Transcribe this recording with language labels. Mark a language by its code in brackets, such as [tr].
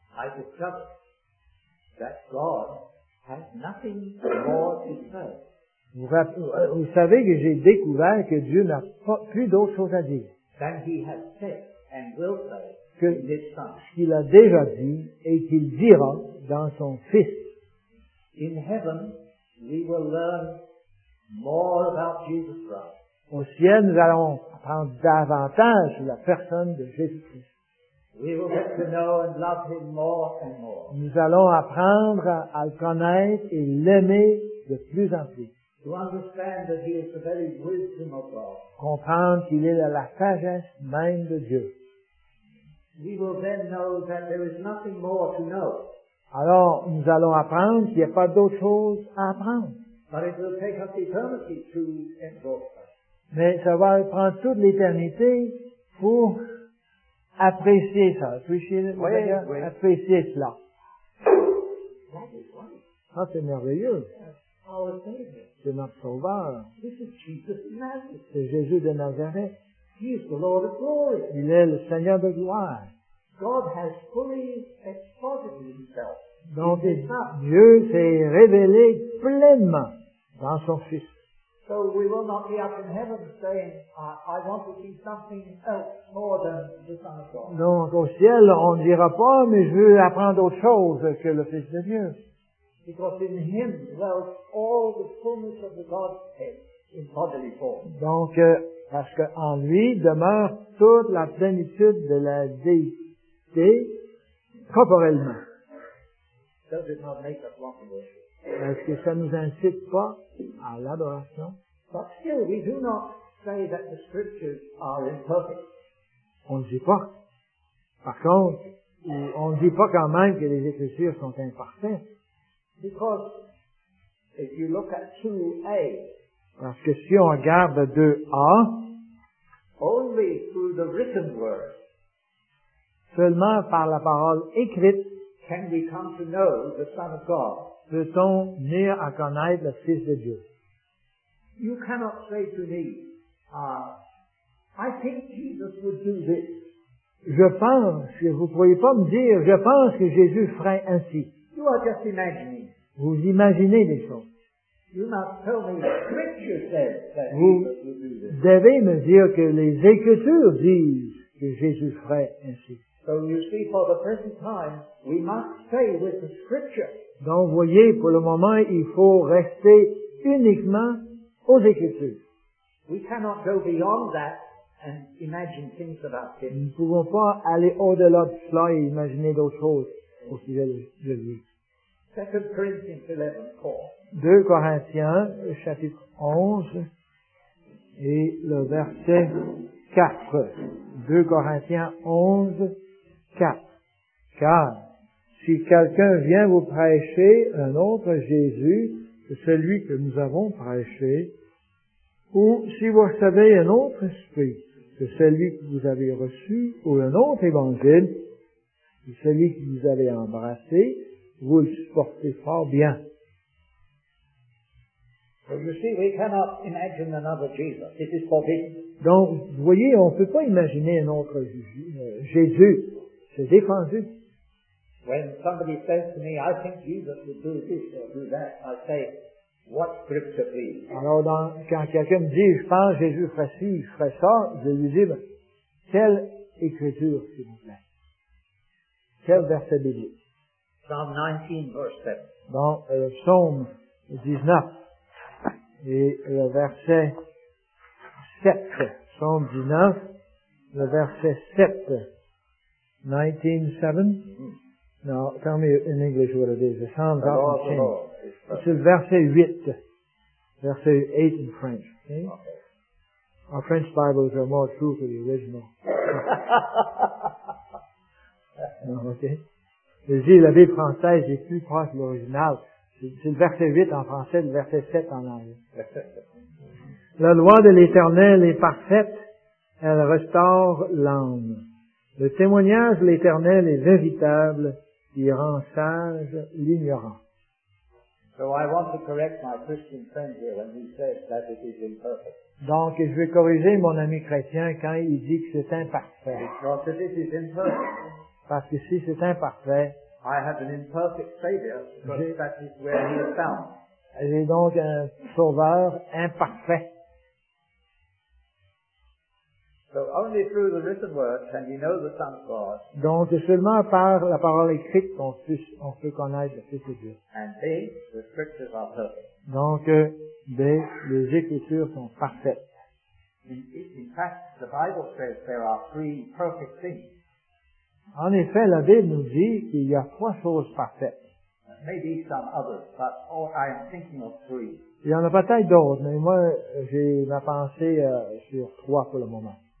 [en] I discovered that God has nothing more to say. [fr] Vous savez que j'ai découvert que Dieu n'a pas plus d'autre chose à dire. [en] Than he has said and will say que in his son. [fr] Qu'il a déjà dit et qu'il dira dans son fils. [en] In heaven, we will learn more about Jesus Christ. [fr] Au ciel, nous allons apprendre davantage la personne de Jésus-Christ. [en] We will get to know and love him more and more. [fr] Nous allons apprendre à le connaître et l'aimer de plus en plus. [en] To understand that he is the very wisdom of God. [fr] Comprendre qu'il est la sagesse même de Dieu. [en] we will then know that there is nothing more to know. [fr] Alors, nous allons apprendre qu'il n'y a pas d'autre chose à apprendre. [en] But it will take up eternity to exhaust us. [fr] Mais ça va prendre toute l'éternité pour apprécier ça. [en] Appreciate it, [fr] oui, oui. Apprécier cela. [en] That is right. [fr] Ça, c'est merveilleux. [en] Yes. [fr] C'est notre sauveur. [en] This is Jesus of Nazareth. [fr] C'est Jésus de Nazareth. [en] He is the Lord of glory. [fr] Il est le Seigneur de gloire. [en] God has fully exposited himself. [fr] Donc, Dieu s'est révélé pleinement dans son Fils. [en] So we will not be up in heaven saying, I want to see something else more than the Son of God. [fr] Donc, au ciel, on ne dira pas, mais je veux apprendre autre chose que le Fils de Dieu. [en] Because in him dwells all the fullness of the Godhead in bodily form. [fr] Donc, parce qu'en lui demeure toute la plénitude de la déité. Corporellement. [en] Does it not make us want to worship? [fr] Est-ce que ça ne nous incite pas à l'adoration? [en] But still, we do not say that the scriptures are imperfect. [fr] On ne dit pas. Par contre, on ne dit pas quand même que les écritures sont imparfaites. [en] Because if you look at 2a, [fr] parce que si on regarde 2a, [en] only through the written word. [fr] Seulement par la parole écrite, [en] can we come to know the Son of God? [fr] Peut-on venir à connaître le Fils de Dieu? [en] You cannot say to me, I think Jesus would do this. [fr] Je pense que vous ne pourriez pas me dire, je pense que Jésus ferait ainsi. [en] You are just imagining. [fr] Vous imaginez des choses. [en] You must tell me the scripture says that [fr] vous [en] Jesus would do this. [fr] Devez me dire que les Écritures disent que Jésus ferait ainsi. [en] So you see, for the present time, we must stay with the Scripture. [fr] Donc, vous voyez, pour le moment, il faut rester uniquement aux Écritures. [en] We cannot go beyond that and imagine things about Him. [fr] Nous ne pouvons pas aller au-delà de cela et imaginer d'autres choses au sujet de lui. [en] 2 Corinthians 11, 4. [fr] 2 Corinthiens, chapitre 11, et le verset 4. 2 Corinthiens 11, 4. Car, si quelqu'un vient vous prêcher un autre Jésus que celui que nous avons prêché, ou si vous recevez un autre esprit que celui que vous avez reçu, ou un autre évangile que celui que vous avez embrassé, vous le supportez fort bien. [en] Well, you see, we cannot imagine another Jesus. It is forbidden. [fr] Donc, vous voyez, on ne peut pas imaginer un autre Jésus. C'est défendu. [en] When somebody says to me, I think Jesus would do this or do that, I say, what scripture please? [fr] Alors, quand quelqu'un me dit, je pense que Jésus ferait ci, je ferais ça, je lui dis, ben, quelle écriture, s'il vous plaît? Quel verset biblique? [en] Psalm 19, verse 7. [fr] Dans le psaume 19. Et le verset 7, psaume 19, le verset 7, 19, 7. [en] Now, tell me in English what it is. It sounds out of the same. [fr] C'est le verset 8, verset 8 [en] in French. [fr] Okay? [en] Okay. Our French Bibles are more true to the original. [fr] Non, okay. Je dis, la Bible française est plus proche de l'original. C'est le verset 8 en français, le verset 7 en anglais. La loi de l'Éternel est parfaite, elle restaure l'âme. Le témoignage de l'Éternel est véritable, il rend sage l'ignorant. [en] So I want to correct my Christian friend here when he says that it is imperfect. [fr] Donc, je vais corriger mon ami chrétien quand il dit que c'est imparfait. [en] Because it is imperfect. [fr] Parce que si c'est imparfait, [en] I have an imperfect Savior, because that is where he is found. [fr] J'ai donc un sauveur imparfait. [en] So only through the written word can we know the Son of God. [fr] Donc c'est seulement par la parole écrite qu'on peut connaître le Fils de Dieu. [en] And B, the scriptures are perfect. [fr] Donc B, les écritures sont parfaites. [en] In fact, the Bible says there are three perfect things. [fr] En effet, la Bible nous dit qu'il y a trois choses parfaites. [en] Maybe some others, but I am thinking of three. [fr] Il y en a peut-être d'autres, mais moi, j'ai ma pensée sur trois pour le moment.